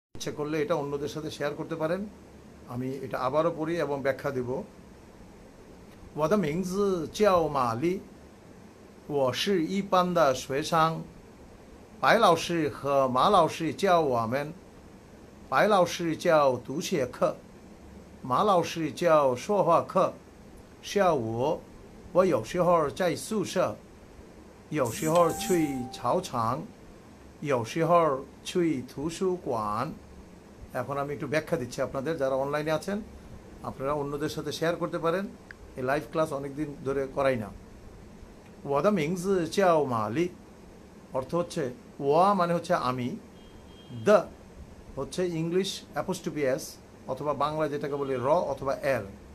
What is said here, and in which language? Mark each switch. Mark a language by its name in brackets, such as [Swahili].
[Bangla] ইচ্ছে করলে এটা অন্যদের সাথে শেয়ার করতে পারেন, আমি এটা আবারও পড়ি এবং ব্যাখ্যা দেব। [Chinese] 我的名字叫玛丽, 我是一班的学生, 白老师和马老师教我们, 白老师教读写课, 马老师教说话课, 下午, 我有时候在宿舍, 有时候去操场, 有时候去图书馆। [Bangla] এখন আমি একটু ব্যাখ্যা দিচ্ছি আপনাদের, যারা অনলাইনে আছেন আপনারা অন্যদের সাথে শেয়ার করতে পারেন, এই লাইভ ক্লাস অনেকদিন ধরে করাই না। [Chinese] ওয়াদা মিংস চাও মালি [Bangla] অর্থ হচ্ছে, ওয়া মানে হচ্ছে আমি, দ্য হচ্ছে ইংলিশ অ্যাপোস্ট্রোফিএস অথবা বাংলা যেটাকে বলি র অথবা এল,